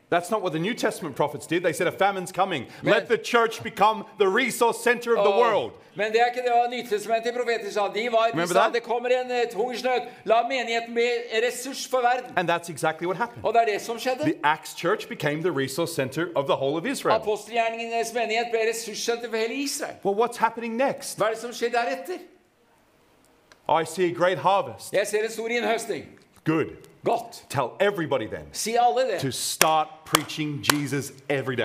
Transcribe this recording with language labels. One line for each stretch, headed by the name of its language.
English: That's not what the New Testament prophets did. They said a famine's coming. Men, let the church become the resource center of the world.
Swedish: Men det är inte det Nya Testamentet profeter sa. De var
English: Remember that?
Swedish: Det kommer en hungersnöd. Låt menigheten bli en resurs för världen.
English: And that's exactly what happened.
Swedish: Och det är det som skedde.
English: The Acts church became the resource center of the whole of Israel.
Swedish: Apostelgärningens menighet blev resurscenter för hela Israel.
English: Well, what's happening next?
Swedish: Vad är det som sker därefter?
English: I see a great harvest.
Swedish: Jag ser en stor inhöstning.
English: Good.
Swedish: Gott.
English: Tell everybody then to start preaching Jesus every day.